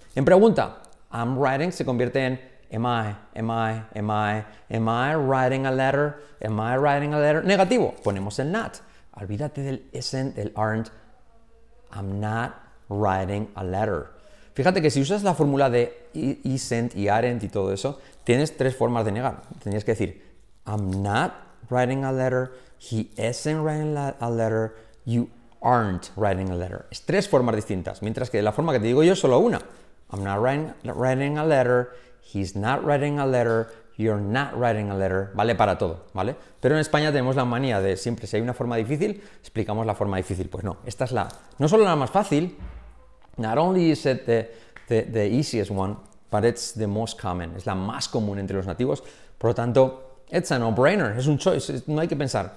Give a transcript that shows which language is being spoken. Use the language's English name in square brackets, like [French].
[Spanish] En pregunta, [English] I'm writing [Spanish] se convierte en [English] Am I writing a letter? Am I writing a letter? [Spanish] Negativo. Ponemos el [English] not. [Spanish] Olvídate del [English] isn't, del aren't. I'm not writing a letter. [Spanish] Fíjate que si usas la fórmula de I sent y aren't y todo eso, tienes tres formas de negar. Tenías que decir, [English] I'm not writing a letter, he isn't writing a letter, you aren't writing a letter. [Spanish] Es tres formas distintas, mientras que la forma que te digo yo es solo una. [English] I'm not writing a letter, he's not writing a letter, you're not writing a letter. [Spanish] Vale para todo, ¿vale? Pero en España tenemos la manía de siempre, si hay una forma difícil, explicamos la forma difícil. Pues no, esta es la, no solo la más fácil, [English] not only is it the easiest one, but it's the most common. [Spanish] Es la más común entre los nativos. Por lo tanto, [English] it's a no-brainer. [Spanish] Es un choice. No hay que pensar.